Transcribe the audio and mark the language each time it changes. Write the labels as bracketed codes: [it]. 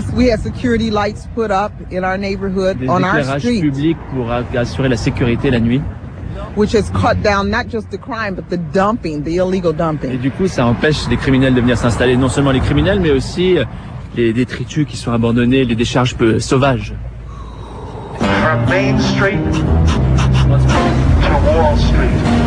[en] Sometimes we have security lights put up in our neighborhood, on our street. [fr] Des éclairages publics pour assurer la sécurité la nuit. [en] Which has cut down not just the crime, but the dumping, the illegal dumping. [fr] Et du coup, ça empêche les criminels de venir s'installer, non seulement les criminels, mais aussi les détritus qui sont abandonnés, les décharges peu sauvages. [en] From Main Street to Wall Street.